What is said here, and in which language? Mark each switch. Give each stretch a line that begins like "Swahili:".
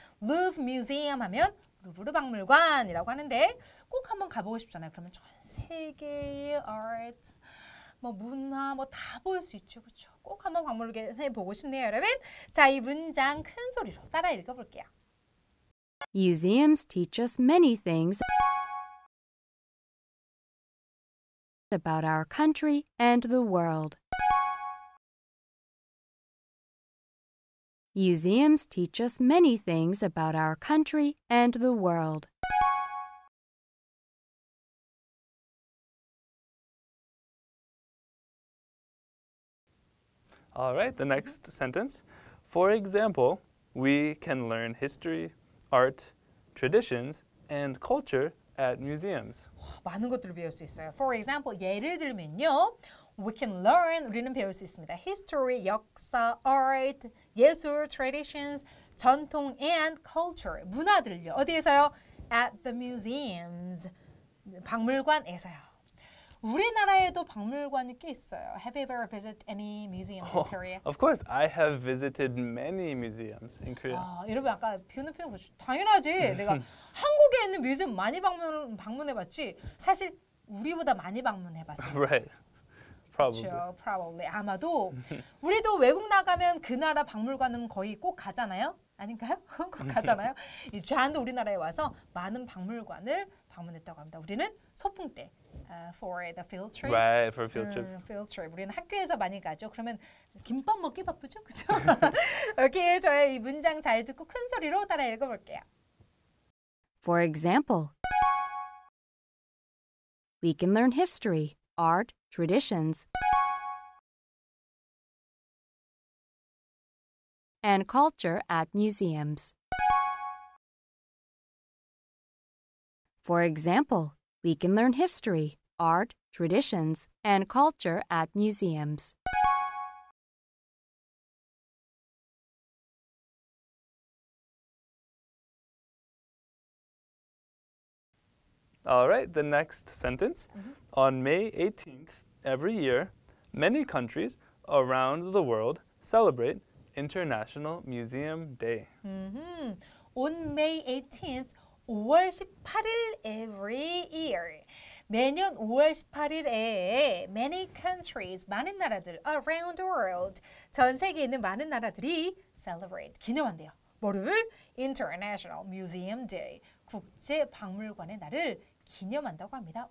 Korean: Louvre Museum 하면 루브르 박물관이라고 하는데 꼭 한번 가보고 싶잖아요. 그러면 전 세계의 art, 뭐 문화 뭐 다 볼 수 있죠. 그렇죠? 꼭 한번 박물관에 보고 싶네요, 여러분. 자, 이 문장 큰 소리로 따라 읽어볼게요.
English: Museums teach us many things about our country and the world. Museums teach us many things about our country and the world. All right, the next sentence. For example, we can learn history, art, traditions, and culture at museums.
Korean: 많은 것들을 배울 수 있어요.
English: For example,
Korean: 예를 들면요.
English: We can learn,
Korean: 우리는 배울 수 있습니다. History, 역사, art, 예술, traditions, 전통, and culture, 문화들요. 어디에서요?
English: At the museums, 박물관에서요.
Korean: 우리나라에도 박물관이 꽤 있어요.
English: Have you ever visited any museums in Korea? Of course, I have visited many museums in Korea.
Korean: 여러분 아까 비웃는 표현 보시죠. 당연하지. 내가 한국에 있는 뮤지엄 많이 방문해봤지. 사실 우리보다 많이 방문해봤어요.
English: Right. Probably. Sure, probably.
Korean: 아마도 우리도 외국 나가면 그 나라 박물관은 거의 꼭 가잖아요. 아닌가요? 꼭 가잖아요. 이 주한도 우리나라에 와서 많은 박물관을 방문했다고 합니다. 우리는 소풍 때.
English: For the field trip. Right, for field trips. Field trip.
Korean: 우리는 학교에서 많이 가죠. 그러면 김밥 먹기 바쁘죠? 그렇죠? 오케이, 저의 이 문장 잘 듣고 큰 소리로 따라 읽어볼게요.
English: For example, we can learn history, art, traditions, and culture at museums. For example, we can learn history, art, traditions, and culture at museums. 알라이트, the next sentence. Mm-hmm. On May 18th every year, many countries around the world celebrate International Museum Day. Mm-hmm. On May 18th, 5월 18일 every year.
Korean: 매년 5월 18일에
English: many countries,
Korean: 많은 나라들
English: around the world,
Korean: 전 세계에 있는 많은 나라들이 celebrate, 기념한대요. 뭐를? International Museum Day, 국제 박물관의 날을 기념한다고 합니다.